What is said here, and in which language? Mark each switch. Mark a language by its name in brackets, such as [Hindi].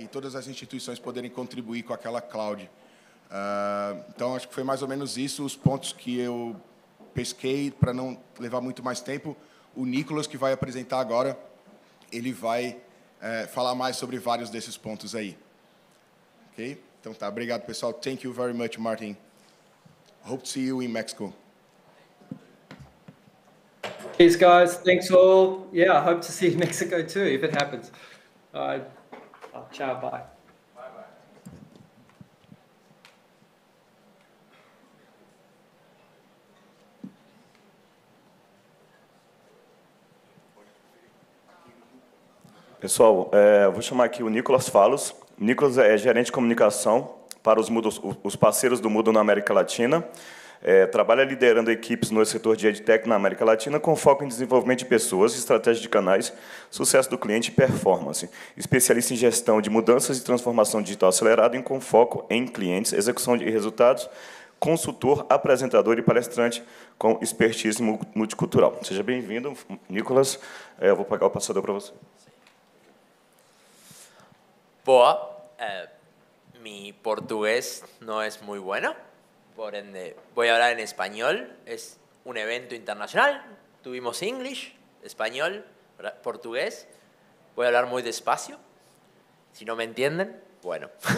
[Portuguese] E todas as instituições poderem contribuir com aquela cloud. Então, acho que foi mais ou menos isso, os pontos que eu pesquei, para não levar muito mais tempo. O Nicolas, que vai apresentar agora, ele vai... falar mais sobre vários desses pontos aí. Ok? Então tá, obrigado pessoal. [English] Thank you very much, Martin. Hope to see you in Mexico. Cheers, guys. Thanks all. Yeah, I hope to see you in Mexico too, if it happens. Tchau, bye. [Portuguese] Pessoal, vou chamar aqui o Nicolas Falos. Nicolas é gerente de comunicação para os parceiros do Moodle na América Latina. Trabalha liderando equipes no setor de EdTech na América Latina com foco em desenvolvimento de pessoas, estratégia de canais, sucesso do cliente e performance. Especialista em gestão de mudanças e transformação digital acelerada e com foco em clientes, execução de resultados, consultor, apresentador e palestrante com expertise multicultural. Seja bem-vindo, Nicolas. Eu vou pagar o passador para você. [Spanish] Boa, mi portugués no es muy bueno, Por ende, voy a hablar en español. Es un evento internacional. Tuvimos English, español, portugués. Voy a hablar muy despacio. Si no me entienden, bueno.